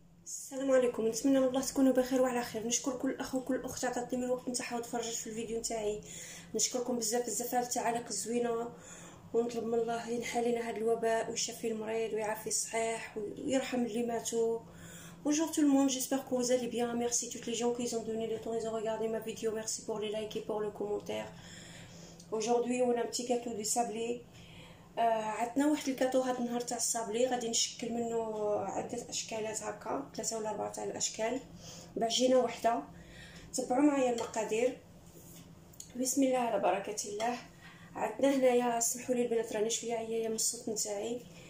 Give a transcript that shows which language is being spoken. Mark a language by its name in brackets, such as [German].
[Arabic] السلام عليكم، نتمنى من الله تكونوا بخير وعلى خير. نشكر كل اخ وكل اخت عطاتني من الوقت نتاعها وتفرجت في الفيديو نتاعي. نشكركم بزاف بزاف على التعاليق الزوينه، ونطلب من الله ينحي لنا هذا الوباء ويشفي المريض ويعافي الصحيح ويرحم اللي ماتوا. [French] Bonjour tout le monde, j'espère que vous allez bien. Merci à toutes les gens qui ont donné le temps, ils ont regardé ma vidéo. Merci pour les likes et pour le commentaire. Aujourd'hui, on a un petit gâteau de sablé. [Arabic] عندنا واحد الكاتو هاد النهار تاع الصابلي، غادي نشكل منه عده اشكالات هكا، ثلاثه ولا اربعه تاع الاشكال. بعجينه واحده، تبعوا معايا المقادير. بسم الله على بركه الله. عندنا هنايا، سمحوا لي البنات راني شويه عيايه من الصوت نتاعي.